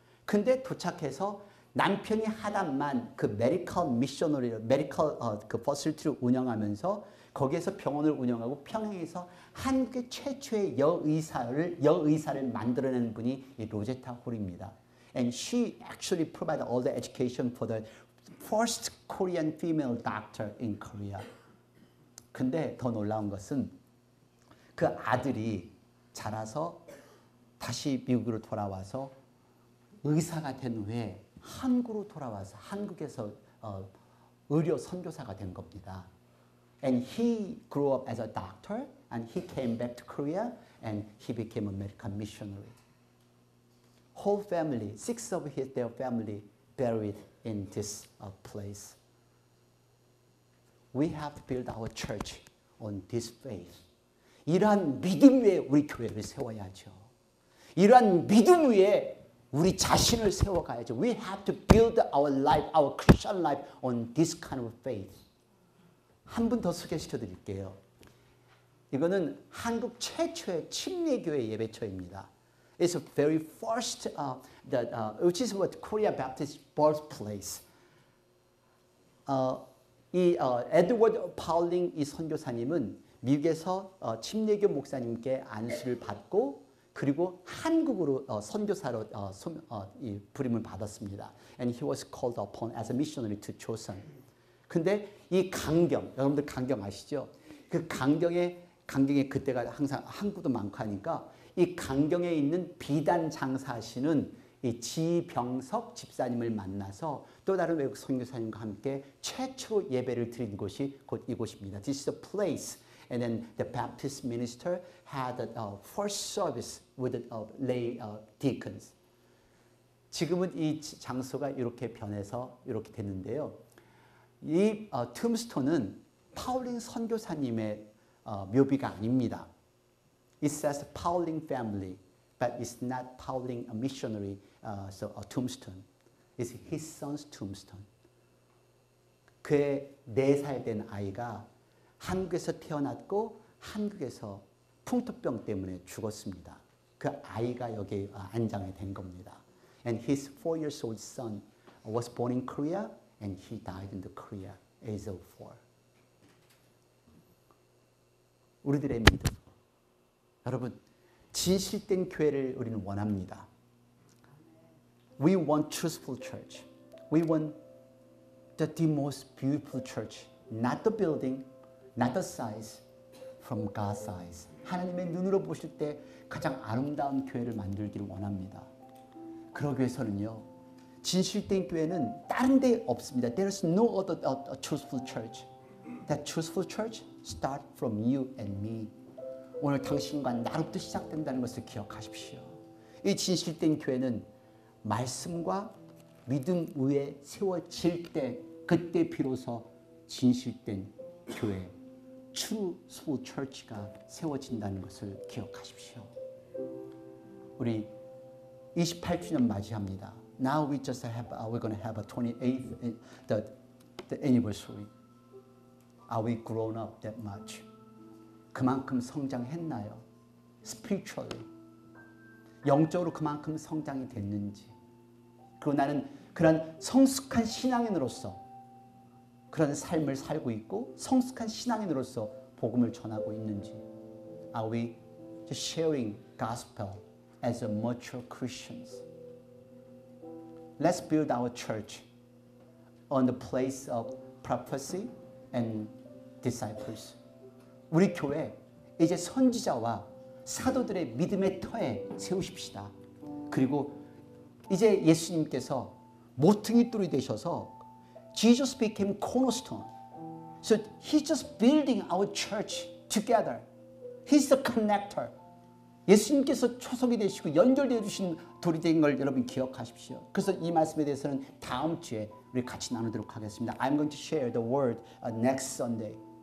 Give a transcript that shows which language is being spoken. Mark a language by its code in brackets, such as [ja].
[ko] 근데 도착해서 남편이 하다만 그 메디컬 미셔너리, 메디컬 그 퍼실티를 운영하면서 거기에서 병원을 운영하고 평양에서 한국의 최초의 여의사를 만들어낸 분이 이 로제타 홀입니다. [en] And she actually provided all the education for the first Korean female doctor in Korea. [ko] 근데 더 놀라운 것은 그 아들이 자라서 다시 미국으로 돌아와서 의사가 된 후에 한국으로 돌아와서 한국에서 의료 선교사가 된 겁니다. [en] And he grew up as a doctor and he came back to Korea and he became a medical missionary. Whole family, six of his their family buried in this place. We have to build our church on this faith. [ko] 이러한 믿음 위에 우리 교회를 세워야죠. 이러한 믿음 위에 우리 자신을 세워가야죠. [en] We have to build our life, our Christian life on this kind of faith. [ko] 한 분 더 소개시켜드릴게요. 이거는 한국 최초의 침례교회 예배처입니다. [en] It's the very first, which is what Korea Baptist birthplace. [ko] Edward Pauling 이 선교사님은 미국에서 침례교 목사님께 안수를 받고 그리고 한국으로 선교사로 부림을 받았습니다. [en] And he was called upon as a missionary to Joseon. [ko] 근데 이 강경, 여러분들 강경 아시죠? 그 강경에 그때가 항상 항구도 많고 하니까 이 강경에 있는 비단 장사하시는 이 지병석 집사님을 만나서 또 다른 외국 선교사님과 함께 최초 예배를 드린 곳이 곧 이곳입니다. [en] This is a place. And then the Baptist minister had a first service with the lay deacons. [ko] 지금은 이 장소가 이렇게 변해서 이렇게 됐는데요. 이 툼스톤은 파울링 선교사님의 묘비가 아닙니다. [en] It says Pauling family, but it's not Pauling a missionary, so a tombstone. It's his son's tombstone. [ko] 그의 4살 된 아이가 한국에서 태어났고 한국에서 풍토병 때문에 죽었습니다. 그 아이가 여기 안장이 된 겁니다. [en] And his 4-year-old son was born in Korea and he died in the Korea age of 4. [ko] 우리들의 믿음. 여러분, 진실된 교회를 우리는 원합니다. [en] We want truthful church. We want the most beautiful church. Not the building, not the size, from God's eyes. [ko] 하나님의 눈으로 보실 때 가장 아름다운 교회를 만들기를 원합니다. 그러기 위해서는요, 진실된 교회는 다른 데 없습니다. [en] There is no other truthful church. That truthful church starts from you and me. [ko] 오늘 당신과 나로부터 시작된다는 것을 기억하십시오. 이 진실된 교회는 말씀과 믿음 위에 세워질 때 그때 비로소 진실된 교회, [en] truthful church [ko] 가 세워진다는 것을 기억하십시오. 우리 28주년 맞이합니다. [en] Now we just have, we're going to have a 28th the anniversary. Are we grown up that much? [ko] 그만큼 성장했나요? [en] Spiritually. [ko] 영적으로 그만큼 성장이 됐는지. 그리고 나는 그런 성숙한 신앙인으로서 그런 삶을 살고 있고 성숙한 신앙인으로서 복음을 전하고 있는지. [en] Are we just sharing gospel as a mature Christians? Let's build our church on the place of prophecy and disciples. [ko] 우리 교회 이제 선지자와 사도들의 믿음의 터에 세우십시다. 그리고 이제 예수님께서 모퉁이 돌이 되셔서 [en] Jesus became cornerstone. So he's just building our church together. He's the connector. [ko] 예수님께서 초석이 되시고 연결되어 주신 돌이 된 걸 여러분 기억하십시오. 그래서 이 말씀에 대해서는 다음 주에 우리 같이 나누도록 하겠습니다. [en] I'm going to share the word next Sunday.